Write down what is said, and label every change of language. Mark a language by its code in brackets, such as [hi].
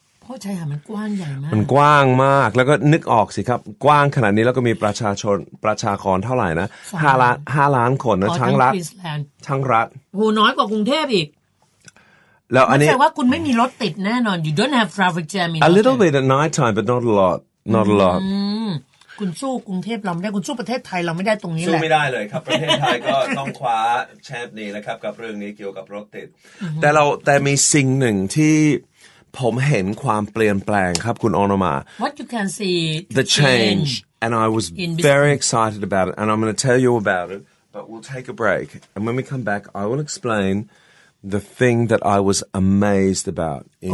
[th] เพราะชายหาดมันกว้างใหญ่มาก มันกว้างมากแล้วก็นึกออกสิครับกว้างขนาดนี้แล้วก็มีประชาชนประชากรเท่าไหร่นะ5 ล้านคนนะทั้งรัฐ โหน้อยกว่ากรุงเทพอีก แล้วอันนี้ แสดงว่าคุณไม่มีรถติดแน่นอน [en] you don't have traffic jam a little bit at night time but not a lot not a lot [th] คุณสู้กรุงเทพเราไม่ได้คุณสู้ประเทศไทยเราไม่ได้ตรงนี้ สู้ ไม่ได้เลยครับประเทศไทยก็ต้องคว้าแชมป์นี้นะครับกับเรื่องนี้เกี่ยวกับรถติดแต่เราแต่มีสิ่งหนึ่งที่ผมเห็นความเปลี่ยนแปลงครับคุณออนุมา [en] What you can see the change and I was very excited about it and I'm going to tell you about it but we'll take a break and when we come back I will explain the thing that I was amazed about in